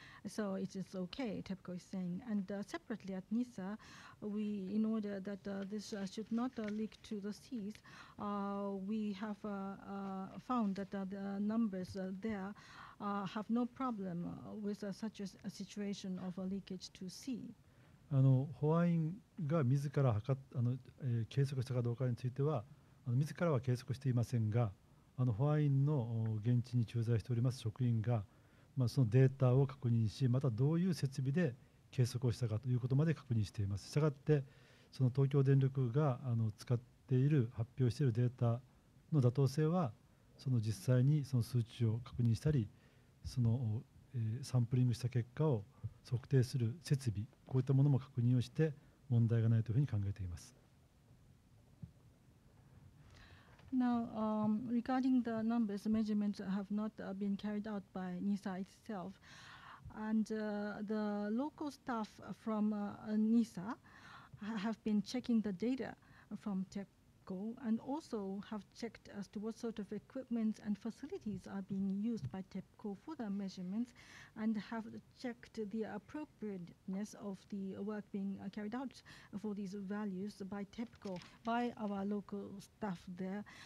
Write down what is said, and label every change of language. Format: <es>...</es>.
<en>So it is okay, TEPCO is saying. And separately at NISA, we, in order that this should not leak to the seas, we have found that the numbers there have no problem with such a situation of a leakage to sea.</en> <ja>あの保安員が自ら測っあの、計測したかどうかについてはあの自らは計測していませんが、あの保安員の現地に駐在しております職員が、まあ、そのデータを確認し、またどういう設備で計測をしたかということまで確認しています。したがってその東京電力があの使っている発表しているデータの妥当性はその実際にその数値を確認したりそのサンプリングした結果を測定する設備、こういったものも確認をして問題がないというふうに考えています。</ja> <en>Now, regarding the numbers, measurements have not been carried out by NISA itself, and the local staff from NISA have been checking the data from TEPCO and also have checked as to what sort of equipment and facilities are being used by TEPCO for the measurements and have checked the appropriateness of the work being carried out for these values by TEPCO, by our local staff there.</en>